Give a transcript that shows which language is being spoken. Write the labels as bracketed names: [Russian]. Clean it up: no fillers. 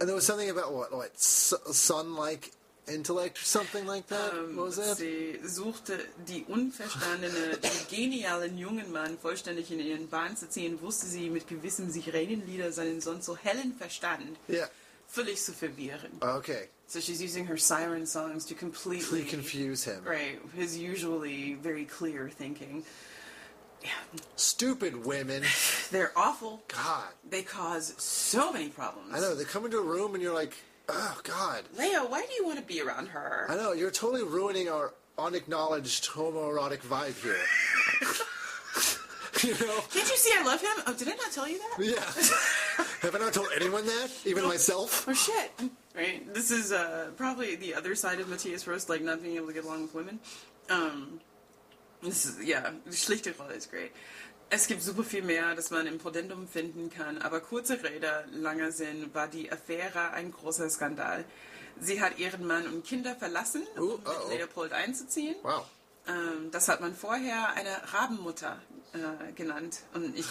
[English] And there was something about, what sun-like intellect or something like that? What was that? [German] Sie suchte die unverstandene, den genialen jungen Mann vollständig in ihren Bann zu ziehen, wusste sie mit gewissem Sirenenlieder seinen sonst so hellen Verstand völlig zu verwirren. [English] Okay. So she's using her siren songs to completely confuse him. Right, his usually very clear thinking. Yeah. Stupid women. They're awful. God. They cause so many problems. I know, they come into a room and you're like, oh, God. Leo, why do you want to be around her? I know, you're totally ruining our unacknowledged homoerotic vibe here. You know? Can't you see I love him? Oh, did I not tell you that? Yeah. Have I not told anyone that? Even myself? Oh, shit. Right? This is probably the other side of Matthias Rost, like not being able to get along with women. [German] Schlichte Rolle ist great. Es gibt super viel mehr, das man im Podendum finden kann, aber kurze Rede, langer Sinn, war die Affäre ein großer Skandal. Sie hat ihren Mann und Kinder verlassen, mit Leopold einzuziehen. Wow. Das hat man vorher eine Rabenmutter genannt. Und ich